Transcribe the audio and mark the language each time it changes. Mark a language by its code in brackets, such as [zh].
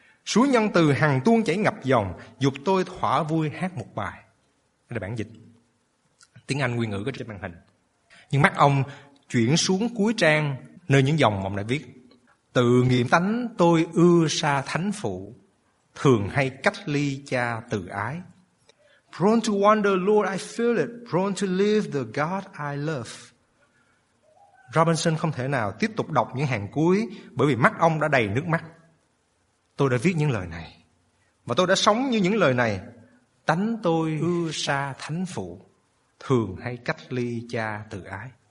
[vi] Suối nhân từ hằng tuôn chảy ngập dòng, dục tôi thỏa vui hát một bài." Đây là bản dịch tiếng Anh nguyên ngữ có trên màn hình. Nhưng mắt ông chuyển xuống cuối trang nơi những dòng ông đã viết: "Tự nghiệm tánh tôi ưa xa thánh phụ, thường hay cách ly cha từ ái. [en] Prone to wander, Lord, I feel it. Prone to leave the God I love." [vi] Robinson không thể nào tiếp tục đọc những hàng cuối bởi vì mắt ông đã đầy nước mắt. "Tôi đã viết những lời này và tôi đã sống như những lời này. Tánh tôi ưa xa thánh phụ, thường hay cách ly cha từ ái."